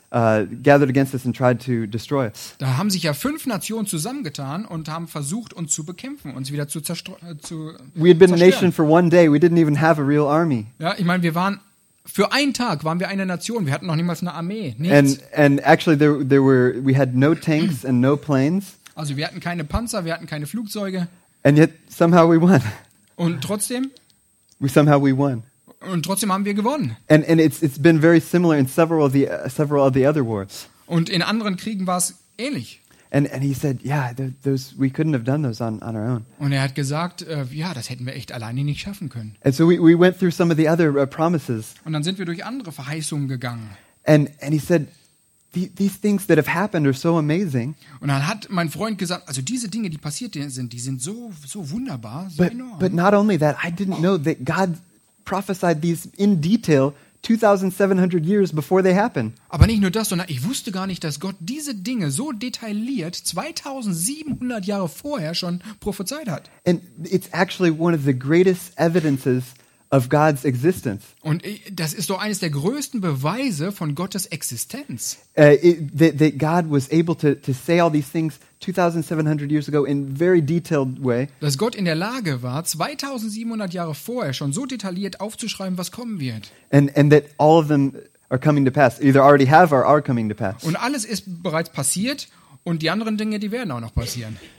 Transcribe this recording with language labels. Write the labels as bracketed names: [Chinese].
[English] Gathered against us and tried to destroy us. [German] Da haben sich ja fünf Nationen zusammengetan und haben versucht, uns zu bekämpfen, uns wieder zu zerstören. [English] We had been a nation for one day. We didn't even have a real army. [German] Ja, ich meine, wir waren für einen Tag waren wir eine Nation. Wir hatten noch niemals eine Armee. Nichts. [English] And actually, we had no tanks and no planes. [German] Also wir hatten keine Panzer, wir hatten keine Flugzeuge. [English] And yet somehow we won. [German] Und trotzdem? [English] We won. [German] Und trotzdem haben wir gewonnen. [English] And it's been very similar in several of the other wars. [German] Und in anderen Kriegen war es ähnlich. [English] And he said, yeah, those we couldn't have done those on our own. [German] Und er hat gesagt, ja, das hätten wir echt alleine nicht schaffen können. [English] And so we went through some of the other promises. [German] Und dann sind wir durch andere Verheißungen gegangen. [English] And he said, these things that have happened are so amazing. [German] Und dann hat mein Freund gesagt, also diese Dinge, die passiert sind, die sind so wunderbar, so [English] but, [German] enorm. [English] But not only that, I didn't know that God prophesied these in detail 2700 years before they happen. [German] Aber nicht nur das, sondern ich wusste gar nicht, dass Gott diese Dinge so detailliert 2700 Jahre vorher schon prophezeit hat. [English] And it's actually one of the greatest evidences of God's existence. [German] Und das ist doch eines der größten Beweise von Gottes Existenz. [English] That God was able to say all these things 2700 years ago in very detailed way. [German] Dass Gott in der Lage war, 2700 Jahre vorher schon so detailliert aufzuschreiben, was kommen wird. [English] And that all of them are coming to pass, either already have or are coming to pass. [German] Und alles ist bereits passiert und die anderen Dinge, die werden auch noch passieren.